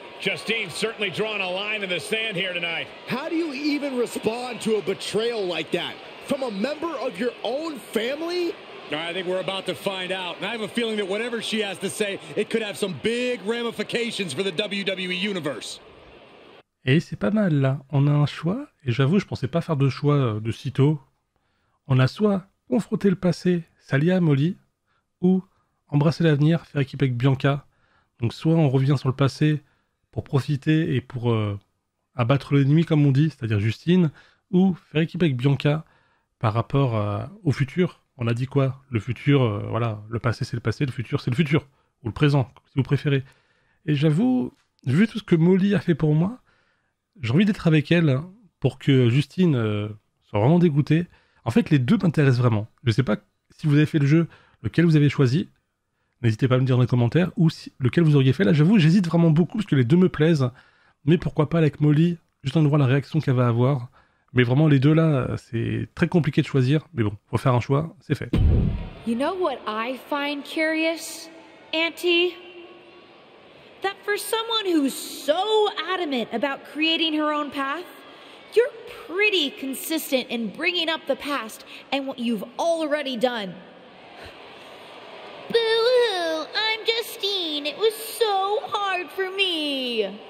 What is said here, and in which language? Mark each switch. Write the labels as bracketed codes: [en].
[en] Justine's certainly drawn a line in the sand here tonight. How do you even respond to a betrayal like that? From a member of your own family? I think we're about to find out. And I have a feeling that whatever she has to say, it could have some big ramifications for the WWE Universe. [fr] Et c'est pas mal, là. On a un choix, et j'avoue, je pensais pas faire de choix de si tôt. On a soit confronté le passé, s'allier à Molly, ou embrasser l'avenir, faire équipe avec Bianca. Donc soit on revient sur le passé pour profiter et pour abattre l'ennemi, comme on dit, c'est-à-dire Justine, ou faire équipe avec Bianca par rapport au futur. On a dit quoi? Le futur, voilà, le passé c'est le passé, le futur c'est le futur, ou le présent, si vous préférez. Et j'avoue, vu tout ce que Molly a fait pour moi, j'ai envie d'être avec elle pour que Justine soit vraiment dégoûtée. En fait, les deux m'intéressent vraiment. Je ne sais pas si vous avez fait le jeu, lequel vous avez choisi. N'hésitez pas à me dire dans les commentaires, ou si, lequel vous auriez fait. Là, j'avoue, j'hésite vraiment beaucoup, parce que les deux me plaisent. Mais pourquoi pas avec Molly, juste en voir la réaction qu'elle va avoir. Mais vraiment, les deux, là, c'est très compliqué de choisir. Mais bon, faut faire un choix, c'est fait. [en] You know what I find curious, Auntie? That for someone who's so adamant about creating her own path, you're pretty consistent in bringing up the past and what you've already done. Boo-hoo! I'm Justine! It was so hard for me!